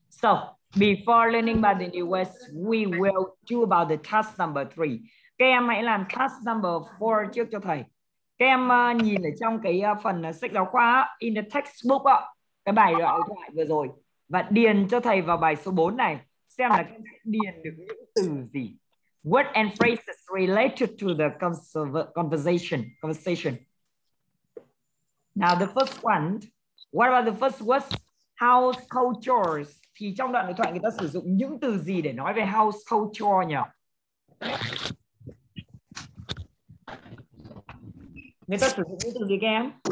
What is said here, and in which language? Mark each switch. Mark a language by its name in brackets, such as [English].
[English] So before learning about the new words, we will do about the task number three. [Vietnamese] Các em hãy làm [English] task number four [Vietnamese] trước cho thầy. Các em nhìn ở trong cái phần sách giáo khoa, [English] in the textbook, [Vietnamese] cái bài đối thoại vừa rồi. Và điền cho thầy vào bài số 4 này, xem là các em điền được những từ gì. [English] Word and phrases related to the conversation. Now the first one, what about the first words? Household chores. [Vietnamese] Thì trong đoạn đối thoại người ta sử dụng những từ gì để nói về household chore nhỉ? Người ta sử dụng những từ gì các em?